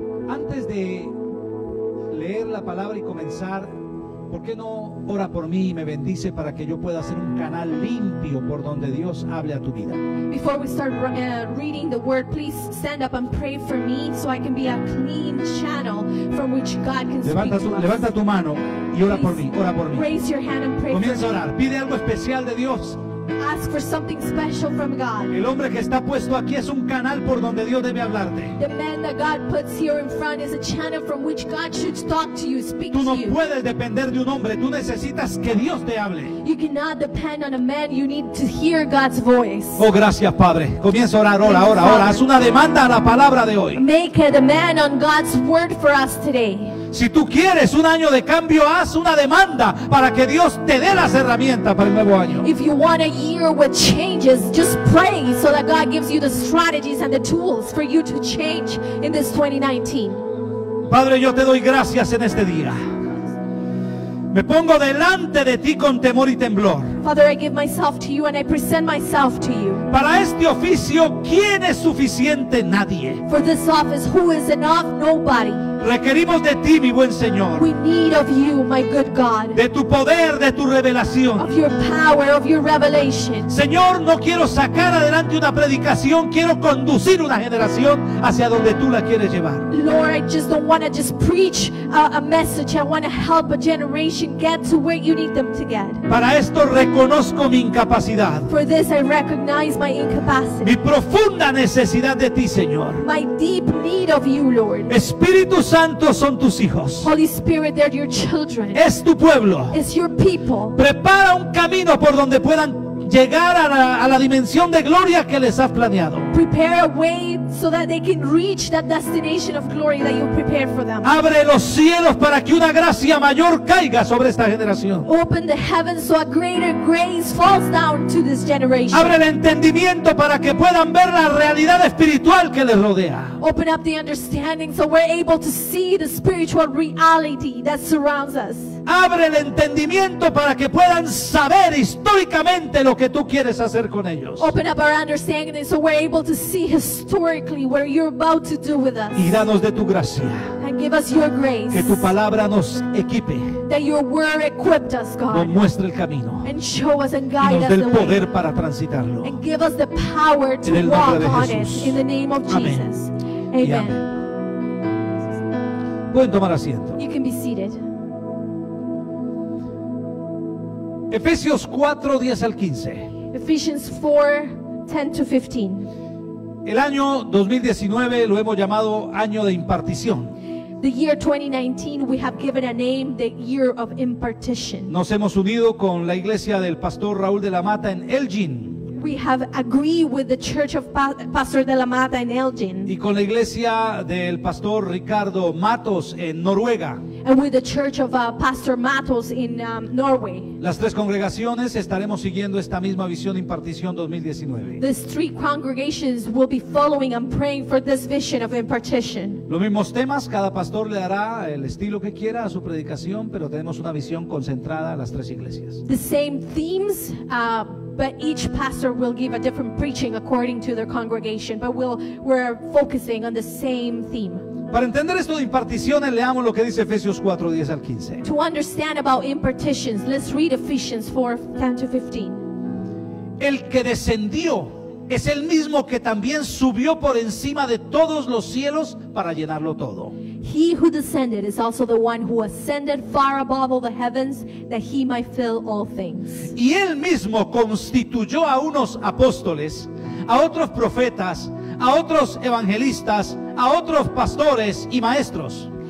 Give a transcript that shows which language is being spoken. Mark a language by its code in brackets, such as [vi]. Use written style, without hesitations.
[es] Antes de leer la palabra y comenzar, ¿por qué no ora por mí y me bendice para que yo pueda ser un canal limpio por donde Dios hable a tu vida? [en] Before we start reading the word, please stand up and pray for me so I can be a clean channel from which God can speak to us. [es] Levanta tu mano y ora por mí, ora por mí. [en] Raise your hand and pray. [es] Comienza a orar, pide algo especial de Dios. [en] Ask for something special from God. [es] El hombre que está puesto aquí es un canal por donde Dios debe hablarte. [en] The man that God puts here in front is a channel from which God should talk to you, speak to you. [es] Tú no puedes depender de un hombre, tú necesitas que Dios te hable. [en] You cannot depend on a man, you need to hear God's voice. [es] Oh, gracias, Padre. Comienza a orar, ora, ora, ora. Haz una demanda a la palabra de hoy. [en] Make a demand on God's word for us today. [es] Si tú quieres un año de cambio, haz una demanda para que Dios te dé las herramientas para el nuevo año. [en] If you want a year with changes, just pray so that God gives you the strategies and the tools for you to change in this 2019. [es] Padre, yo te doy gracias en este día. Me pongo delante de ti con temor y temblor. [en] Father, I give myself to you and I present myself to you. [es] Para este oficio, ¿quién es suficiente? Nadie. [en] For this office, who is enough? Nobody. [es] Requerimos de ti, mi buen Señor. [en] We need of you, my good God. [es] De tu poder, de tu revelación. [en] Of your power, of your revelation. [es] Señor, no quiero sacar adelante una predicación, quiero conducir una generación hacia donde tú la quieres llevar. [en] Lord, I just don't want to just preach a message. I want to help a generation get to where you need them to get. [es] Para esto reconozco mi incapacidad. [en] For this I recognize my incapacity. [es] Mi profunda necesidad de ti, Señor. [en] My deep need of you, Lord. [es] Espíritu Santo, son tus hijos. [en] Holy Spirit, they're your children. [es] Es tu pueblo. [en] It's your people. [es] Prepara un camino por donde puedan llegar a la dimensión de gloria que les has planeado. [en] Prepare a way so that they can reach that destination of glory that you prepared for them. [es] Abre los cielos para que una gracia mayor caiga sobre esta generación. [en] Open the heavens so a greater grace falls down to this generation. [es] Abre el entendimiento para que puedan ver la realidad espiritual que les rodea. [en] Open up the understanding so we're able to see the spiritual reality that surrounds us. [es] Abre el entendimiento para que puedan saber históricamente lo que tú quieres hacer con ellos. [en] Open up our understanding so we're able to see historically what you're about to do with us. [es] Y danos de tu gracia. [en] And give us your grace. [es] Que tu palabra nos equipe. [en] That your word equipped us, God. [es] Nos muestre el camino. [en] And show us and guide us. [es] Y nos dé el poder [en] way. [es] Para transitarlo. [en] And give us the power to walk on [es] Jesús. [en] It. In the name of [es] amén. [en] Jesus. Amen. [es] Amén. Pueden tomar asiento. [en] You can be seated. [es] Efesios 4, 10 al 15. [en] Ephesians 4:10-15. [es] El año 2019 lo hemos llamado año de impartición. [en] The year 2019 we have given a name, the year of impartition. [es] Nos hemos unido con la iglesia del pastor Raúl de la Mata en Elgin. [en] We have agreed with the church of Pastor de la Mata in Elgin. [es] Y con la iglesia del pastor Ricardo Matos en Noruega. [en] And with the church of Pastor Matos in Norway. [es] Las tres congregaciones estaremos siguiendo esta misma visión e impartición 2019. [en] These three congregations will be following and praying for this vision of impartition. [es] Los mismos temas, cada pastor le dará el estilo que quiera a su predicación, pero tenemos una visión concentrada a las tres iglesias. [en] The same themes, but each pastor will give a different preaching according to their congregation, but we're focusing on the same theme. [es] Para entender esto de imparticiones, leamos lo que dice Efesios 4, 10 al 15. [en] To understand about impartitions, let's read Ephesians 4, 10 to 15. [es] El que descendió es el mismo que también subió por encima de todos los cielos para llenarlo todo. [en] He who descended is also the one who ascended far above all the heavens that he might fill all things. [es] Y él mismo constituyó a unos apóstoles, a otros profetas, a otros evangelistas, a otros pastores y maestros.